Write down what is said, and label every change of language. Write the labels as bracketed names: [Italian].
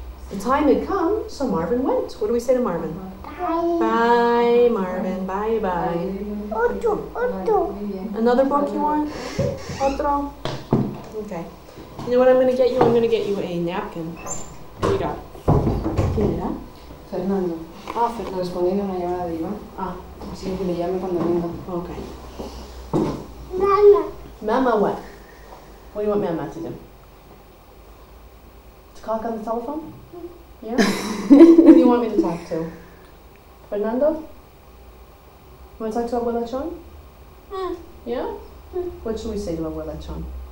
[English] The time had come, so Marvin went. What do we say to Marvin? Bye. Bye, Marvin. Bye, bye. [Spanish] Otro. [English] Another book you want? Otro. Okay. You know what I'm going to get you? I'm going to get you a napkin. Here you go. [Spanish] ¿Quién era? Fernando. Ah, Fernando. Respondiendo a una llamada de Iván. Ah. Así que me llame cuando venga. [English] Okay. Mama. Mama what? What do you want Mama to do? To talk on the telephone? Yeah? Who do you want me to talk to? Fernando? You want to talk to Abuela Chon? Yeah? What should we say to Abuela Chon?